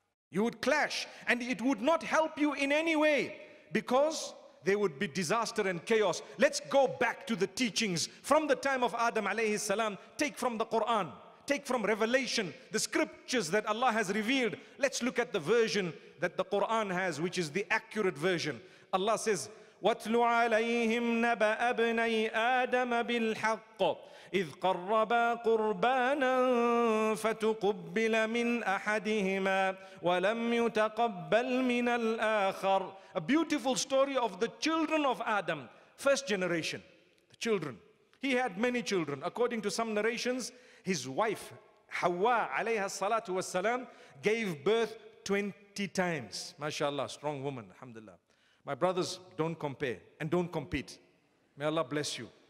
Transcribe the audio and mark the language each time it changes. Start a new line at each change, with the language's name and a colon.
English: You would clash, and it would not help you in any way, because there would be disaster and chaos. Let's go back to the teachings from the time of Adam alayhi salam. Take from the Quran, take from revelation, the scriptures that Allah has revealed. Let's look at the version that the Quran has, which is the accurate version. Allah says,
Arabic: واتل عليهم نبأ ابني آدم بالحق إذ قربا قربانا فتقبل من أحدهما ولم يتقبل من الآخر.
English: A beautiful story of the children of Adam, first generation, the children. He had many children. According to some narrations, his wife, Hawa
Arabic: عليها الصلاة والسلام,
English: gave birth 20 times. MashaAllah, strong woman, alhamdulillah. My brothers, don't compare and don't compete. May Allah bless you.